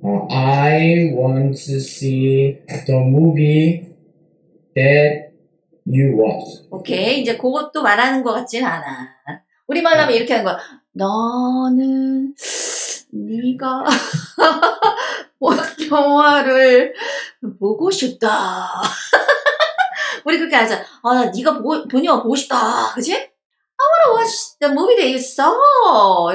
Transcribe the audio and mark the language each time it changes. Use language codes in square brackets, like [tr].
[en] I want to see the movie that you watched. [ko] Okay, 이제 그것도 말하는 것 같진 않아. 우리말로 하면 이렇게 하는 거야. 너는 네가 영화를 보고 싶다. 우리 그렇게 하자. 아, 나 네가 본 영화 보고 싶다. 그치? [en] I wanna watch the movie that you saw.